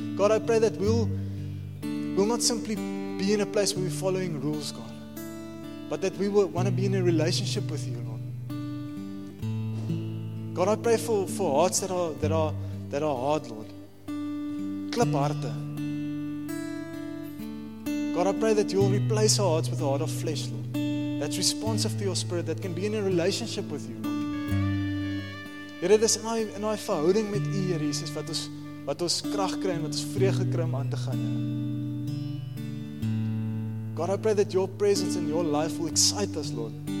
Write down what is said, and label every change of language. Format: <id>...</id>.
<en>God, I pray that we'll not simply be in a place where we're following rules, God, but that we will want to be in a relationship with you, Lord. God, I pray for hearts that are hard, Lord.</en> <af>Klip harte.</af> <en>God, I pray that you'll replace our hearts with the heart of flesh, Lord. That's responsive to your spirit, that can be in a relationship with you, Lord.</en> <af>Here, dis</af> <en>in our</en> <af>verhouding met u, Here Jesus, wat ons krag kry en wat ons vreugde kry om aan te gaan, Here.</af> <en>God, I pray that your presence in your life will excite us, Lord.</en>